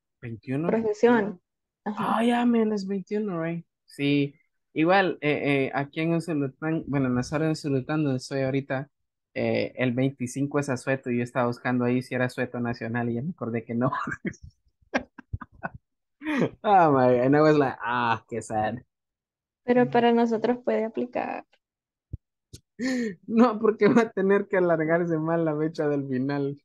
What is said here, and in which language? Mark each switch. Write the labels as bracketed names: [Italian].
[Spanish] 21. Procesión. [English] Ah, oh, yeah, man, [Spanish] es 21, [English] right? [Spanish] Sí, igual, aquí en Usulután, bueno, en la zona de Usulután, donde estoy ahorita, el 25 es asueto, y yo estaba buscando ahí si era asueto nacional, y ya me acordé que no. [English] Oh, my God, and I was like, ah, [Spanish] qué [English] sad. [Spanish] Pero para nosotros puede aplicar. No, porque va a tener que alargarse más la fecha del final.